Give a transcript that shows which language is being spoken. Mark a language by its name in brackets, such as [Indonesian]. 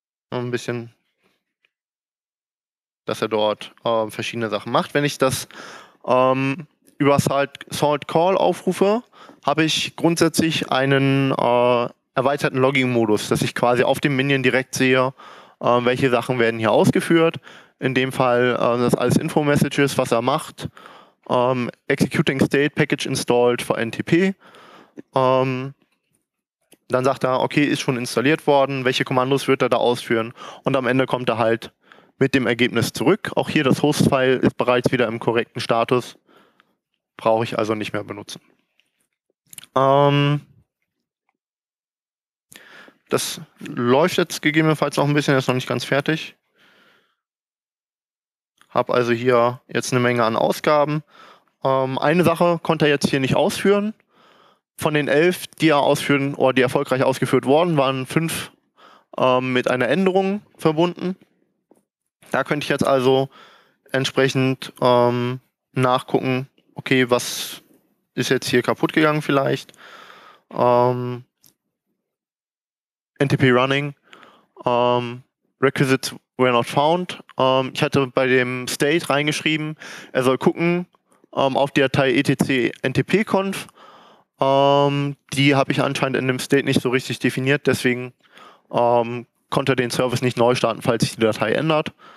[German] Ein bisschen, dass er dort verschiedene Sachen macht. Wenn ich das über Salt Call aufrufe, habe ich grundsätzlich einen erweiterten Logging-Modus, dass ich quasi auf dem Minion direkt sehe, welche Sachen werden hier ausgeführt. In dem Fall das alles Info-Messages, was er macht. [English] Executing State Package installed for NTP. [German] Dann sagt er, okay, ist schon installiert worden, welche Kommandos wird er da ausführen? Und am Ende kommt er halt mit dem Ergebnis zurück. Auch hier das Host-File ist bereits wieder im korrekten Status. Brauche ich also nicht mehr benutzen. Das läuft jetzt gegebenenfalls auch ein bisschen, ist noch nicht ganz fertig. Hab also hier jetzt eine Menge an Ausgaben. Eine Sache konnte er jetzt hier nicht ausführen. Von den 11, die er ausführen oder die erfolgreich ausgeführt wurden, waren 5 mit einer Änderung verbunden. Da könnte ich jetzt also entsprechend nachgucken, okay, was ist jetzt hier kaputt gegangen vielleicht? [English] NTP Running, Requisites were not found. [German] Ich hatte bei dem State reingeschrieben, er soll gucken auf die Datei etc/ntp-conf. Die habe ich anscheinend in dem State nicht so richtig definiert, deswegen konnte er den Service nicht neu starten, falls sich die Datei ändert.